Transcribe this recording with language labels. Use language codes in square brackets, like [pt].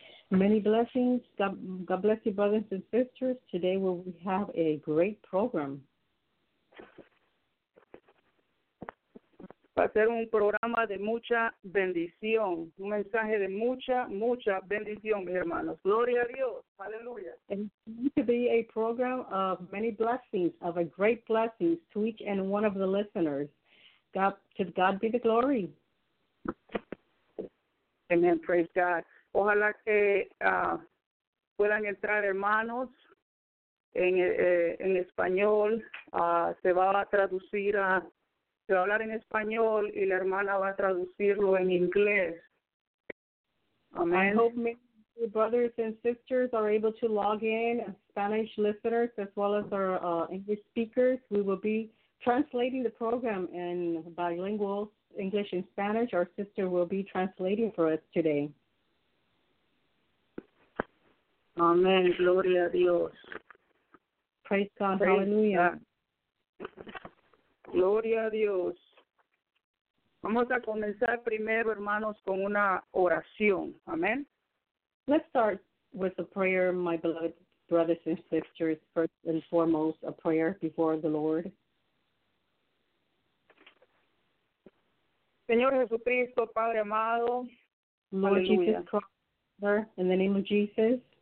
[en] Many blessings. God bless you, brothers and sisters. Today we have a great program. [es] Va a ser un programa de mucha bendición, un mensaje de mucha, mucha bendición, mis hermanos. Gloria a Dios. Aleluya. [en] It's going to be a program of many blessings, of a great blessings to each and one of the listeners. God, to God be the glory. Amen. Praise God. [es] Ojalá que puedan entrar, hermanos, en español. Se va a traducir a... Se va a hablar en español y la hermana va a traducirlo en inglés. Amén. [en] I hope many your brothers and sisters are able to log in, Spanish listeners as well as our English speakers. We will be translating the program in bilingual English and Spanish. Our sister will be translating for us today. [es] Amen. Gloria a Dios. [en] Praise God. Praise Hallelujah. [es] God. Gloria a Dios. Vamos a comenzar primero, hermanos, con una oración. Amen. [en] Let's start with a prayer, my beloved brothers and sisters. First and foremost, a prayer before the Lord. [es] Señor Jesucristo, Padre amado. [en] Lord Jesus Christ, in the name of Jesus.